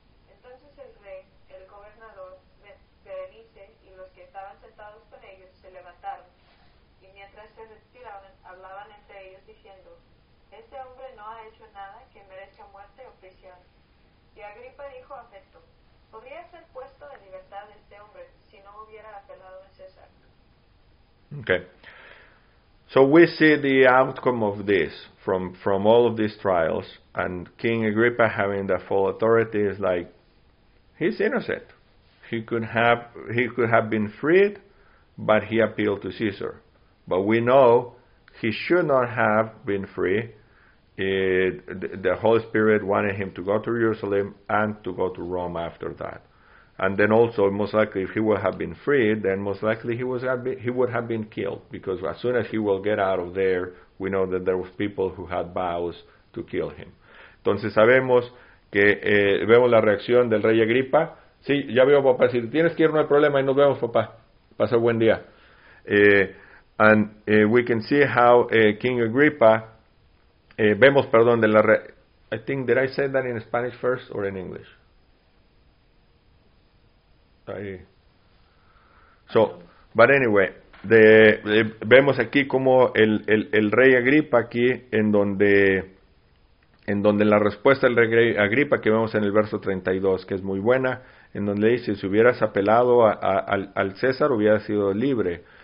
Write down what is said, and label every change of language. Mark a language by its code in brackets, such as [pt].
[es] Entonces el rey, el gobernador, Berenice y los que estaban sentados con ellos se levantaron, y mientras se retiraban, hablaban entre ellos diciendo, este hombre no ha hecho nada que merezca muerte o prisión. Y Agripa dijo a Festo, podría ser puesto en libertad de este hombre si no hubiera apelado a César. [en] Okay, so we see the outcome of this from all of these trials, and King Agrippa having the full authority is like, he's innocent. He could have been freed, but he appealed to Caesar. But we know he should not have been free, the Holy Spirit wanted him to go to Jerusalem and to go to Rome after that. And then also, most likely, if he would have been freed, then most likely he would have been killed, because as soon as he will get out of there, we know that there were people who had vows to kill him. [es] Entonces sabemos que vemos la reacción del rey Agripa. Sí, ya veo, papá, si tienes que ir no hay problema, y nos vemos, papá. Pasa buen día. [en] We can see how King Agrippa, [es] vemos, perdón, de la re- [en] I think, did I say that in Spanish first or in English? [es] Ahí. [en] So, but anyway, [es] vemos aquí como el rey Agripa aquí, en donde la respuesta del rey Agripa que vemos en el verso 32, que es muy buena, en donde dice, si hubieras apelado al César, hubieras sido libre.